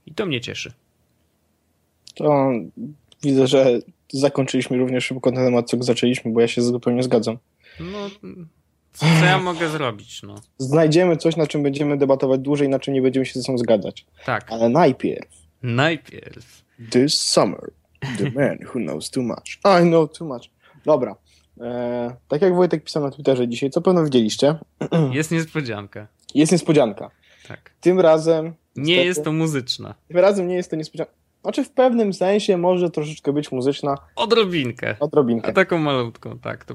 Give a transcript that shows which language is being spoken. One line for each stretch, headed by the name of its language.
Polish: I to mnie cieszy. To widzę, że zakończyliśmy równie szybko na temat, co zaczęliśmy, bo ja się zupełnie zgadzam. No, co ja mogę zrobić? No? Znajdziemy coś, na czym będziemy debatować dłużej, na czym nie będziemy się ze sobą zgadzać. Tak. Ale najpierw. Najpierw.
English: This summer, the man who knows too much. I know too much.
Polish: Dobra. Tak jak Wojtek pisał na Twitterze dzisiaj, co pewno widzieliście. Jest niespodzianka. Jest niespodzianka. Tak. Tym razem... Nie jest to muzyczna. Tym razem nie jest to niespodzianka. Znaczy w pewnym sensie może troszeczkę być muzyczna. Odrobinkę. Odrobinkę. A taką malutką, tak, to